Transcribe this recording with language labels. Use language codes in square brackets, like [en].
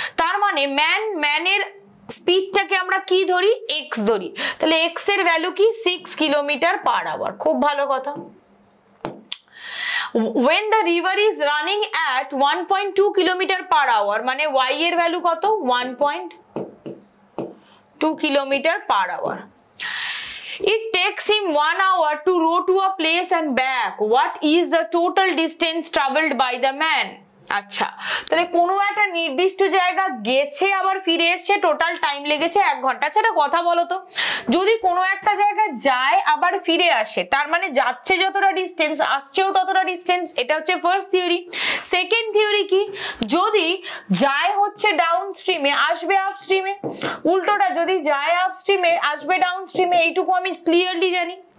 [bn] তার মানে ম্যানের স্পিডটাকে আমরা কি ধরি, x ধরি। তাহলে x এর ভ্যালু কি, 6 km per hour, খুব ভালো কথা। [en] When the river is running at 1.2 km per hour, [bn] মানে y এর ভ্যালু কত, [en] 1.2 km per hour. It takes him 1 hour to row to a place and back. What is the total distance traveled by the man? [bn] আচ্ছা, তাহলে কোনো একটা নির্দিষ্ট জায়গা গেছে আবার ফিরে এসেছে, টোটাল টাইম লেগেছে 1 ঘন্টা। আচ্ছা একটা কথা বলো তো, যদি কোনো একটা জায়গা যায় আবার ফিরে আসে, তার মানে যাচ্ছে যতটা ডিস্টেন্স, আসছেও ততটা ডিস্টেন্স, এটা হচ্ছে ফার্স্ট থিওরি। সেকেন্ড থিওরি কি, যদি যায় হচ্ছে ডাউন স্ট্রিমে আসবে আপ স্ট্রিমে, উল্টোটা যদি যায় আপ স্ট্রিমে আসবে ডাউন স্ট্রিমে, এইটুকু আমি ক্লিয়ারলি জানি।